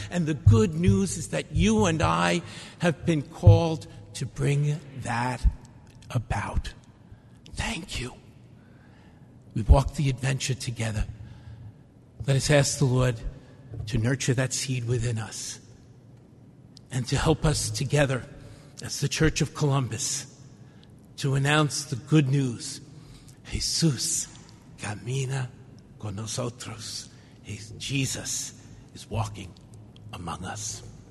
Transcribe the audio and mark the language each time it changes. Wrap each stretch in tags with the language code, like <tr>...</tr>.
<en>And the good news is that you and I have been called to bring that about. Thank you. We walked the adventure together. Let us ask the Lord to nurture that seed within us and to help us together as the Church of Columbus to announce the good news.</en> <es>Jesus camina con nosotros.</es> <en>Jesus is walking among us.</en>